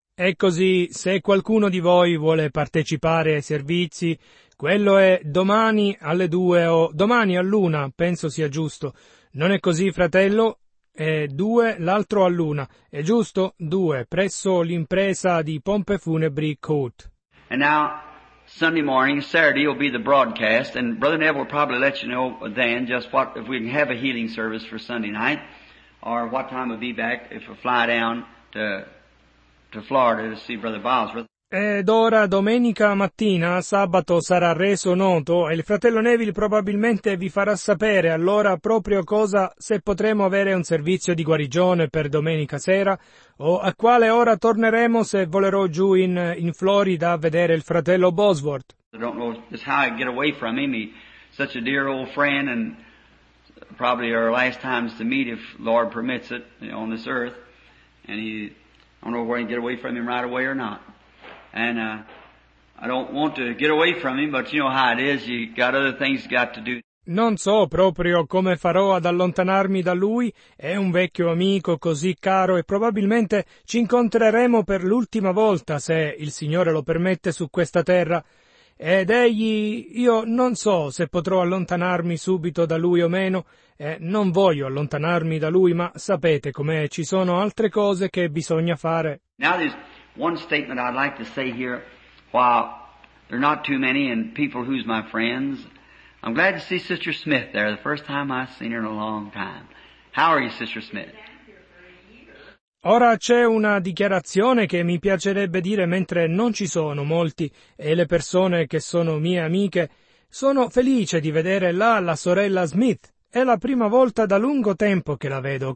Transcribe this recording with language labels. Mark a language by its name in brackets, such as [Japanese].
[Italian] E così, se qualcuno di voi vuole partecipare ai servizi, quello è domani alle 2 o domani all'1, penso sia giusto. Non è così, fratello? È 2, l'altro all'1. È giusto? 2, presso l'impresa di pompe funebri Coat. [English] And now, Sunday morning, Saturday, will be the broadcast, and Brother Neville will probably let you know then just what, if we can have a healing service for Sunday night, or what time we'll be back if we fly down to Florida to see Brother Bosworth. [Italian] Ed ora domenica mattina, sabato, sarà reso noto e il fratello Neville probabilmente vi farà sapere allora proprio cosa, se potremo avere un servizio di guarigione per domenica sera o a quale ora torneremo se volerò giù in Florida a vedere il fratello Bosworth. [English] I don't know just how I get away from him. He's such a dear old friend and probably our last times to meet if Lord permits it on this earth. And he, I don't know where I can get away from him right away or not. And I don't want to get away from him, but you know how it is, you got other things you got to do. [Italian] Non so proprio come farò ad allontanarmi da lui, è un vecchio amico così caro e probabilmente ci incontreremo per l'ultima volta, se il Signore lo permette, su questa terra. Ed egli, io non so se potrò allontanarmi subito da lui o meno, non voglio allontanarmi da lui, ma sapete com'è, ci sono altre cose che bisogna fare. [English] Now there's one statement I'd like to say here, while there are not too many and people who's my friends. I'm glad to see Sister Smith there, the first time I've seen her in a long time. How are you, Sister Smith? [Italian] Ora c'è una dichiarazione che mi piacerebbe dire mentre non ci sono molti e le persone che sono mie amiche. Sono felice di vedere là la sorella Smith. È la prima volta da lungo tempo che la vedo.